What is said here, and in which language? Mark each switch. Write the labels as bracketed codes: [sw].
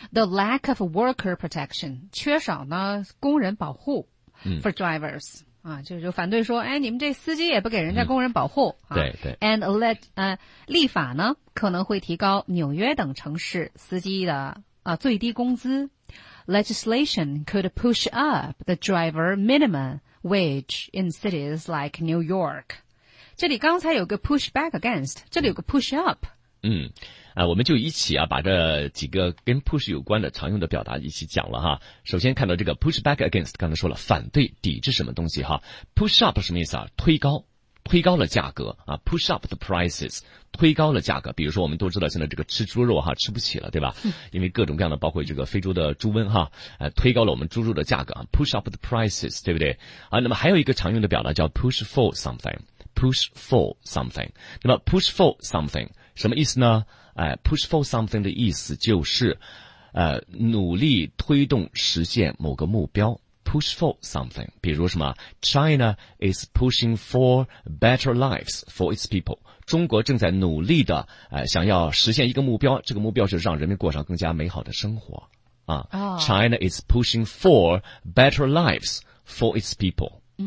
[en] the lack of worker protection， [zh] 缺少呢工人保护 [en] for drivers。 [zh] 啊，就反对说，哎，你们这司机也不给人家工人保护，对对。 And立法呢可能会提高纽约等城市司机的最低工资。 [en] Legislation could push up the driver minimum wage in cities like New York。 [zh] 这里刚才有个 push back against， 这里有个 push up。我们就一起把这几个跟 push 有关的常用的表达一起讲了哈。首先看到这个 push back against， 刚才说了反对抵制什么东西哈。push up 什么意思啊？推高。推高了价格啊 ， [en] push up the prices， [zh] 推高了价格。比如说，我们都知道现在这个吃猪肉哈吃不起了，对吧？因为各种各样的，包括这个非洲的猪瘟哈，推高了我们猪肉的价格啊 ， [en] push up the prices， [zh] 对不对？啊，那么还有一个常用的表达叫 push for something，push for something。那么 push for something 什么意思呢？push for something 的意思就是，努力推动实现某个目标。 [en] Push for something， [zh] 比如什么 [en] ，China is pushing for better lives for its people。 [zh] 中国正在努力的，想要实现一个目标，这个目标是让人民过上更加美好的生活。 [en] 啊、China is pushing for better lives for its people。